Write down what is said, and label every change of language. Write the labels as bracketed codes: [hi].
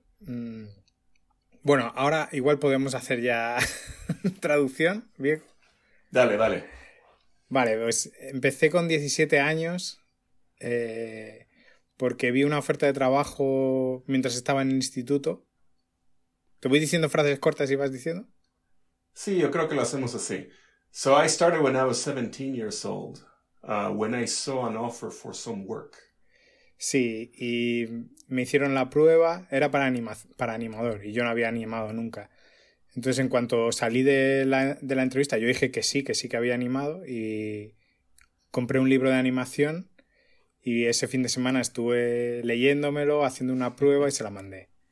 [es] Bueno, ahora igual podemos hacer ya traducción, viejo. Dale, dale. Vale, pues empecé con 17 años porque vi una oferta de trabajo mientras estaba en el instituto. ¿Te voy diciendo frases cortas y vas diciendo? Sí, yo creo que lo hacemos así. [en] So I started when I was 17 years old. When I saw an offer for some work. [es] Sí, y me hicieron la prueba, era para animador, y yo no había animado nunca. Entonces, en cuanto salí de la entrevista, yo dije que sí que había animado, y compré un libro de animación, y ese fin de semana estuve leyéndomelo, haciendo una prueba, y se la mandé.